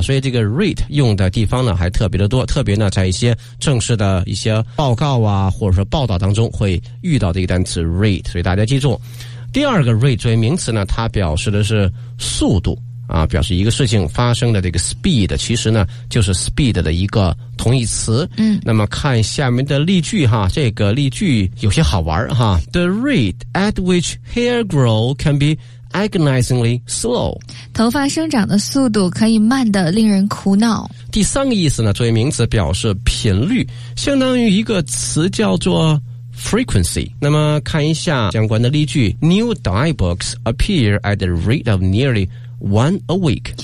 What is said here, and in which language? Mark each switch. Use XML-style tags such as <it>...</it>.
<zh>所以这个 rate 用的地方呢还特别的多，特别呢在一些正式的一些报告啊或者说报道当中会遇到这个单词 rate， 所以大家记住。第二个 rate 作为名词呢，它表示的是速度啊，表示一个事情发生的这个 speed， 其实呢就是 speed 的一个同义词。那么看下面的例句哈，这个例句有些好玩哈。</zh> <en>The rate at which hair grow can be agonizingly slow，</en> <zh>头发生长的速度可以慢得令人苦恼。第三个意思呢，作为名词表示频率，相当于一个词叫做frequency。那么看一下相关的例句。</zh> <en>New diet books appear at the rate of nearly one a week，</en>